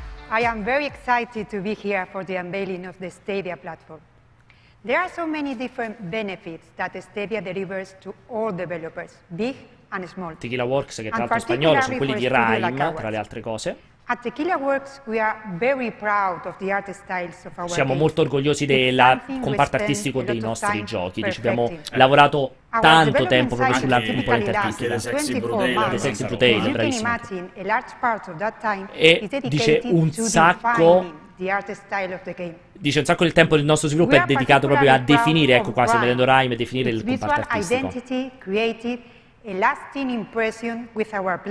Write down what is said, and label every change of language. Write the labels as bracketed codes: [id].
[en] I am very excited to be here for the unveiling of the Stadia platform. There are so many different benefits that Stadia delivers to all developers, big and small. [it] Tequila Works, che tra l'altro è spagnolo, sono quelli di Rhyme, tra le altre cose. [en] At Tequila Works, we are very proud of the art styles of our games. [it] Siamo molto orgogliosi del comparto artistico dei nostri giochi. Dice, abbiamo lavorato tanto tempo proprio sulla componente artistica. The Sexy Brutale, the Sexy Brutale, bravissimo. E dice, un sacco del tempo del nostro sviluppo è dedicato proprio a definire, ecco qua, stiamo vedendo Rhyme, definire il comparto artistico.